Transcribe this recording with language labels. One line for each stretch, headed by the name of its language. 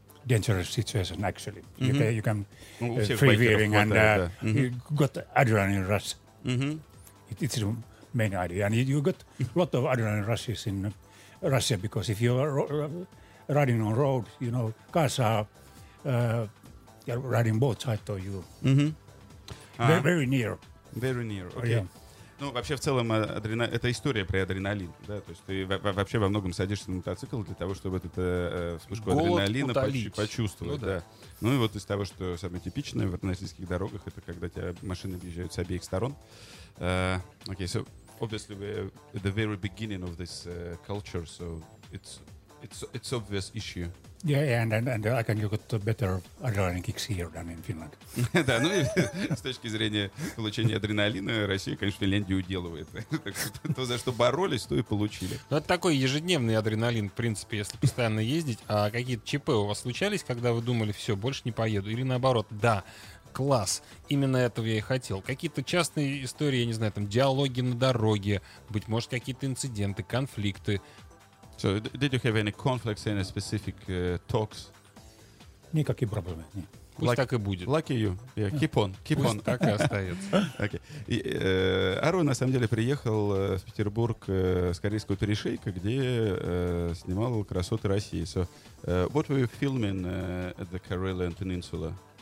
English: dangerous situation actually. Mm-hmm. You can free veering and you got adrenaline rush. Mm-hmm. It's the main idea. And you got a lot of adrenaline rushes in Russia because if you are riding on road, you know, cars are riding both sides of you. Mm-hmm. Very near. Very near, okay. Yeah.
Russian: Ну, вообще, в целом, это история про адреналин, да, то есть ты вообще во многом садишься на мотоцикл для того, чтобы эту вспышку голод адреналина почувствовать, да. Ну, и вот из того, что самое типичное в российских дорогах, это когда тебя машины объезжают с обеих сторон.
English: Okay, so, obviously, we're at the very beginning of this culture, so it's obvious issue. Yeah, and I can get better adrenaline kicks here than in Finland.
Russian: Да, ну и с точки зрения получения адреналина, Россия, конечно, Финляндию уделывает. То, за что боролись, то и получили. Ну, это такой ежедневный адреналин, в принципе, если постоянно ездить. А какие-то ЧП у вас случались, когда вы думали, все, больше не поеду? Или наоборот, да, класс. Именно этого я и хотел. Какие-то частные истории, я не знаю, там диалоги на дороге, быть может, какие-то инциденты, конфликты.
English: So, did you have any conflicts, any specific talks?
Russian: Никакие проблемы, нет. Пусть так и будет.
English: Lucky you. Yeah, keep on. Keep
Russian: Пусть
English: on.
Russian: Так и остается.
English: Okay.
Russian: Арон, на самом деле, приехал в Петербург с корейского перешейка, где снимал «Красоты России».
English: So, what were you filming at the Karelian Peninsula?